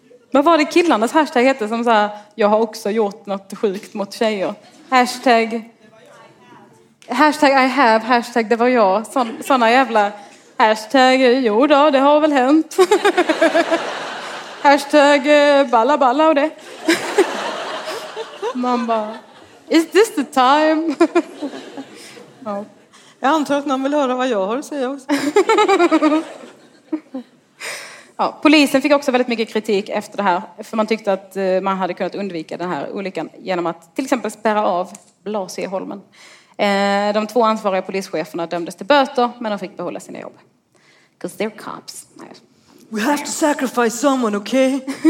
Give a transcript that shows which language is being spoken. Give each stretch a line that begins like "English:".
Swedish: Vad var det killarnas hashtag hette som sa jag har också gjort något sjukt mot tjejer? Hashtag
English: I have,
Swedish: hashtag det var jag. Såna jävla hashtag, jo då, det har väl hänt. Hashtag balla balla och det. Man bara,
English: is this the time?
Swedish: Ja. Jag antar att någon vill höra vad jag har att säga också. Ja, polisen fick också väldigt mycket kritik efter det här. För man tyckte att man hade kunnat undvika den här olyckan genom att till exempel spärra av Blasieholmen. De två ansvariga polischeferna dömdes till böter, men de fick behålla sina jobb.
English: Because they're cops. Nej. We have to sacrifice someone, okay?